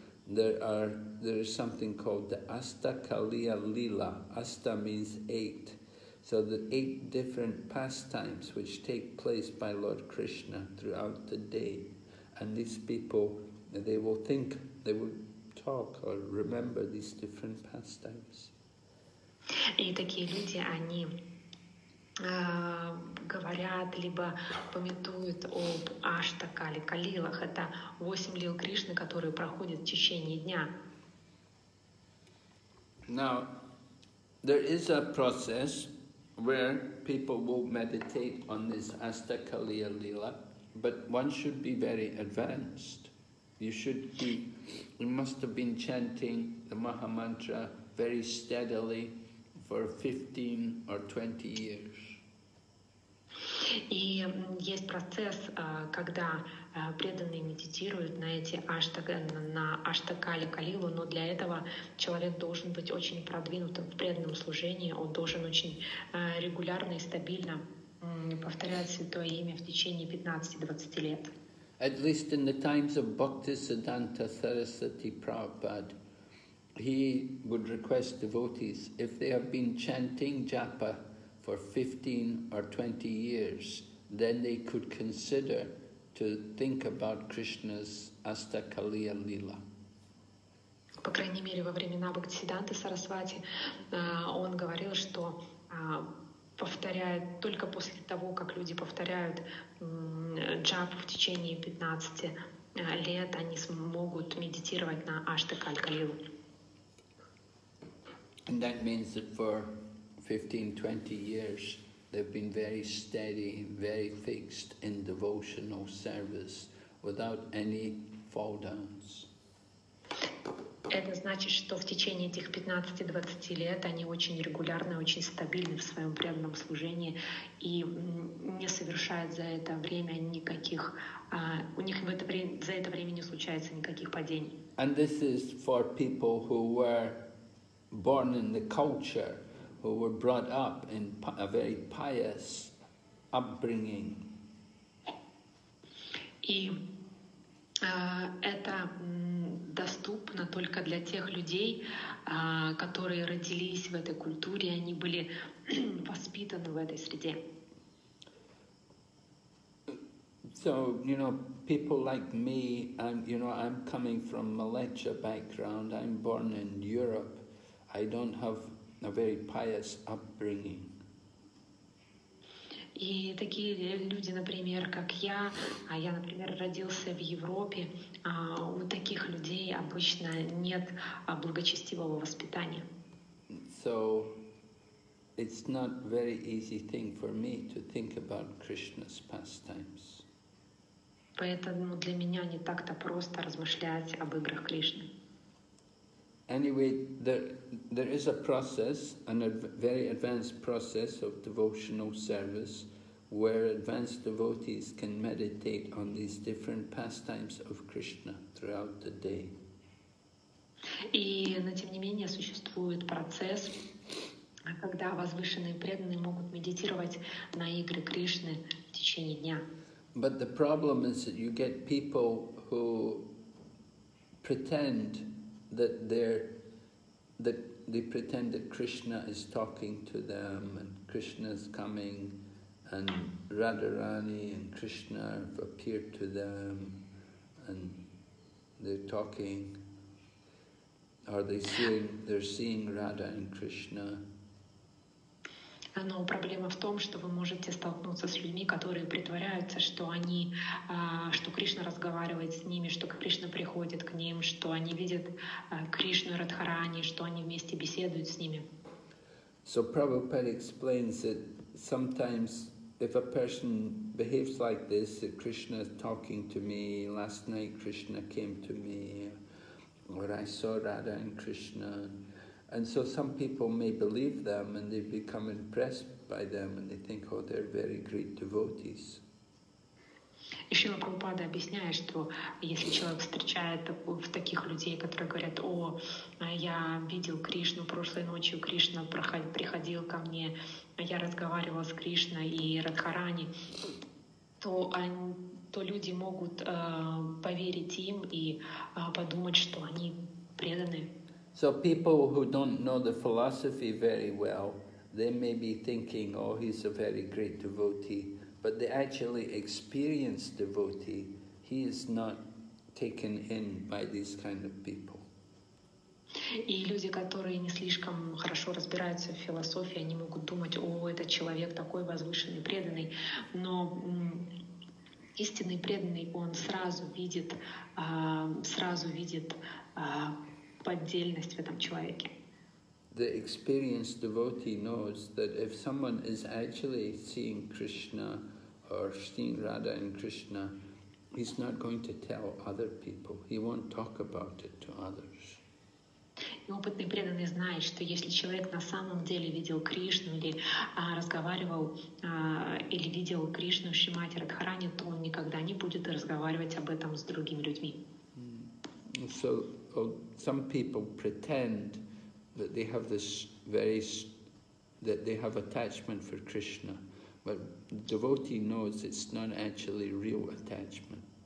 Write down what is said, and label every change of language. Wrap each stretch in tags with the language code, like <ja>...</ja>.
<en>There is something called the Astakaliya Lila. Asta means eight. So the eight different pastimes which take place by Lord Krishna throughout the day. And these people, they will think, they will talk or remember these different pastimes.</en> <ru>И такие люди, они говорят, либо памятуют об Аштакали Калилах. Это восемь лил Кришны, которые проходят в течение дня.</ru> <en>Now, there is a process where people will meditate on this Аштакали Лила, but one should be very advanced. You should be, you must have been chanting the Maha Mantra very steadily for 15 or 20 years.</en> <ru>И есть процесс, когда преданные медитируют на эти аштага, на аштакали калилу, но для этого человек должен быть очень продвинутым в преданном служении, он должен очень регулярно и стабильно повторять святое имя в течение 15-20 лет.</ru> <en>At least in the times of Bhaktisiddhanta Sarasvati Prabhupada, he would request devotees, if they have been chanting japa for 15 or 20 years, then they could consider to think about Krishna's Astakaliya Lila.</en> <ru>По крайней мере, во времена Бхактисиддханты Сарасвати, он говорил, что повторяет только после того, как люди повторяют джапу в течение 15 лет, они смогут медитировать на Аштакалькалилу.</ru> <en>And that means that for 15-20 years, they've been very steady, very fixed in devotional service, without any fall downs.</en> <ru>Это значит, что в течение этих 15-20 лет они очень регулярны, очень стабильны в своем преданном служении и не совершают за это время никаких, у них в это время, за это время не случается никаких падений.</ru> <en>And this is for people who were born in the culture, who were brought up in a very pious upbringing.</en> <ru>И это доступно только для тех людей, которые родились в этой культуре, они были воспитаны в этой среде.</ru> <en>So, you know, people like me, I'm coming from Malecha background, I'm born in Europe, I don't have a very pious upbringing.</en> <ru>И такие люди, например, как я, а я, например, родился в Европе, у таких людей обычно нет благочестивого воспитания.</ru> <en>So it's not very easy thing for me to think about Krishna's pastimes.</en> <ru>Поэтому для меня не так-то просто размышлять об играх Кришны.</ru> <en>Anyway, there is a process, a very advanced process of devotional service, where advanced devotees can meditate on these different pastimes of Krishna throughout the day.</en> <ru>И, но тем не менее, существует процесс, когда возвышенные преданные могут медитировать на игры Кришны в течение дня.</ru> <en>But the problem is that you get people who pretend that they pretend that Krishna is talking to them and Krishna is coming and Radharani and Krishna have appeared to them and they're talking or they're seeing Radha and Krishna.</en> <ru>Но проблема в том, что вы можете столкнуться с людьми, которые притворяются, что они, что Кришна разговаривает с ними, что Кришна приходит к ним, что они видят Кришну и Радхарани, что они вместе беседуют с ними.</ru> <en>So Prabhupada explains that sometimes if a person behaves like this, that Krishna is talking to me, last night Krishna came to me, or I saw Radha and Krishna. And so some people may believe them and they become impressed by them and they think, oh, they're very great devotees.</en> <ru>И Шрила Прабхупада объясняет, что если человек встречает таких людей, которые говорят, о, я видел Кришну прошлой ночью, Кришна приходил ко мне, я разговаривал с Кришной и Радхарани, то люди могут поверить им и подумать, что они преданы.</ru> <en>So people who don't know the philosophy very well, they may be thinking, oh, he's a very great devotee, but the actually experienced devotee, he is not taken in by these kind of people.</en> <ru>И люди, которые не слишком хорошо разбираются в философии, они могут думать, о, этот человек такой возвышенный, преданный, но истинный преданный, он сразу видит поддельность в этом человеке.</ru> <en>The experienced devotee knows that if someone is actually seeing Krishna or seeing Radha and Krishna, He's not going to tell other people. He won't talk about it to others.</en> <ru>И опытный преданный знает, что если человек на самом деле видел Кришну или разговаривал или видел Кришну в Шримати Радхарани, то он никогда не будет разговаривать об этом с другими людьми.</ru> <en>So some people pretend that they have this very that they have attachment for Krishna, but the devotee knows it's not actually real attachment.</en>